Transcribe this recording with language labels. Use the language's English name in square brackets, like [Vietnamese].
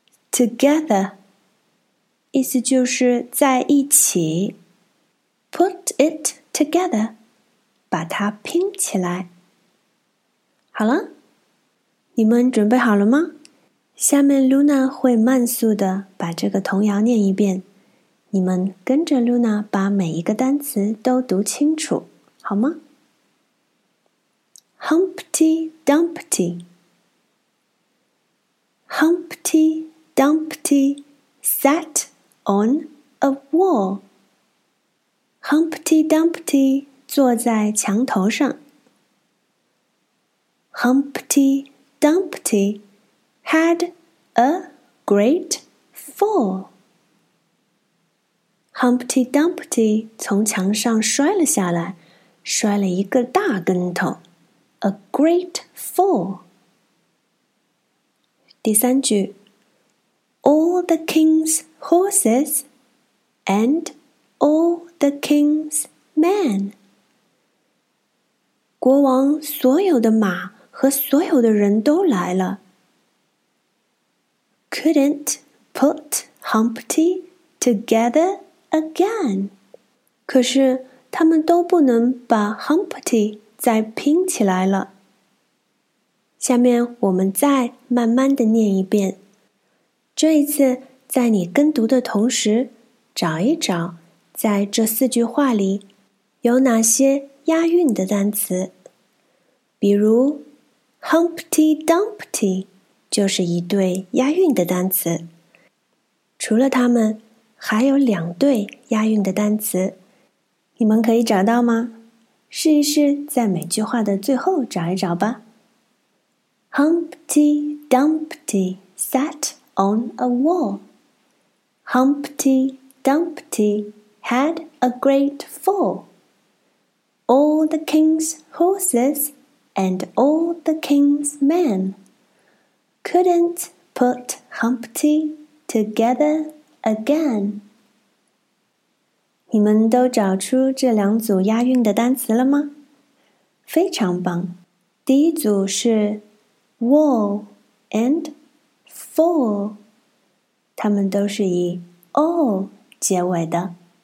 [Chinese] Together， 意思就是在一起。 [English] Put it together， [Chinese] 把它拼起来。好了，你们准备好了吗？下面 Luna 会慢速的把这个童谣念一遍，你们跟着 Luna 把每一个单词都读清楚，好吗？ [English] Humpty Dumpty， Humpty Dumpty sat on a wall. [Chinese] Humpty Dumpty 坐在墙头上。 [English] Humpty Dumpty had a great fall. [Chinese] Humpty Dumpty 从墙上摔了下来，摔了一个大跟头。 [English] A great fall. [Chinese] 第三句 [English] All the king's horses and all the king's men. [Chinese] 国王所有的马和所有的人都来了。 [English] Couldn't put Humpty together again. [Chinese] 可是他们都不能把 Humpty再拼起来了。下面我们再慢慢的念一遍，这一次在你跟读的同时，找一找在这4句话里有哪些押韵的单词。比如 Humpty Dumpty 就是一对押韵的单词，除了它们还有2对押韵的单词，你们可以找到吗？试一试在每句话的最后找一找吧。 [English] Humpty Dumpty sat on a wall. Humpty Dumpty had a great fall. All the king's horses and all the king's men couldn't put Humpty together again. [Chinese] 你们都找出这两组押韵的单词了吗？非常棒！第一组是 wall and fall， 它们都是以 all 结尾的。